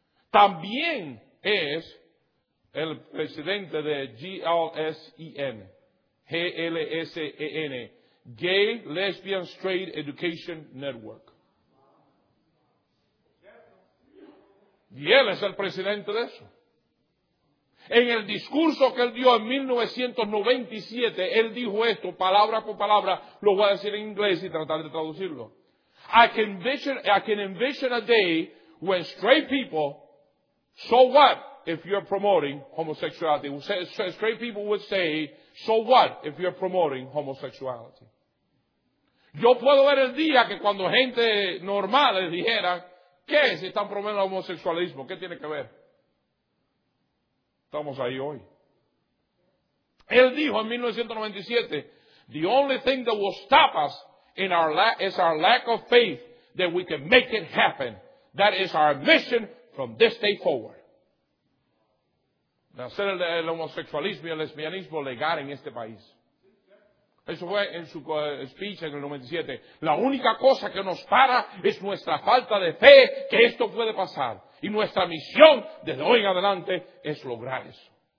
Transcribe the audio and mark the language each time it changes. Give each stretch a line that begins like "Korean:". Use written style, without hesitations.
Spanish: También es el presidente de GLSEN, G-L-S-E-N, Gay, Lesbian, Straight Education Network. Y él es el presidente de eso. En el discurso que él dio en 1997, él dijo esto, palabra por palabra, lo voy a decir en inglés y tratar de traducirlo.
English: I can envision a day when straight people, so what if you're promoting homosexuality? Straight people would say, so what if you're promoting homosexuality?
Spanish: Yo puedo ver el día que cuando gente normal le dijera, ¿qué es si están promoviendo el homosexualismo? ¿Qué tiene que ver? Estamos ahí hoy. Él dijo en 1997,
English: the only thing that will stop us in our is our lack of faith that we can make it happen. That is our mission from this day forward.
Spanish: Hacer el homosexualismo y el lesbianismo legal en este país. Eso fue en su speech en el 97. La única cosa que nos para es nuestra falta de fe que esto puede pasar. Y nuestra misión desde hoy en adelante es lograr eso.